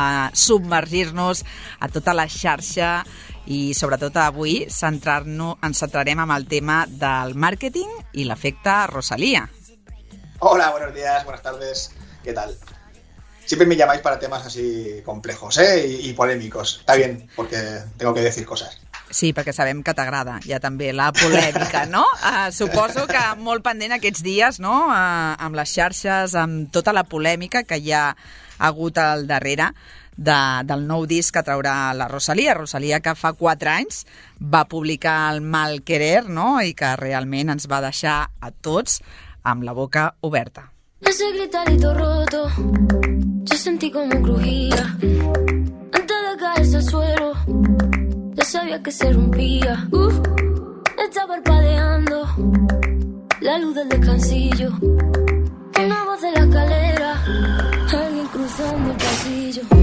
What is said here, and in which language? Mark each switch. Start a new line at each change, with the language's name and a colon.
Catalan: submergir-nos a tota la xarxa i sobretot avui ens centrarem en el tema del màrqueting i l'efecte Rosalía.
Spanish: Hola, buenos días, buenas tardes, ¿qué tal? Siempre me llamáis para temas así complejos, ¿eh? Y polémicos. Está bien, porque tengo que decir cosas.
Catalan: Sí, perquè sabem que t'agrada ja també la polèmica, no? Suposo que molt pendent aquests dies, no? Amb les xarxes, amb tota la polèmica que hi ha hagut al darrere del nou disc que traurà la Rosalía. Rosalía, que fa 4 anys va publicar El mal querer, no? I que realment ens va deixar a tots amb la boca oberta.
Spanish: Ese gritarito roto, yo sentí como crujía antes de caerse al suelo. Yo sabía que se rompía, está parpadeando la luz del descansillo. Una voz de la escalera, alguien cruzando el pasillo.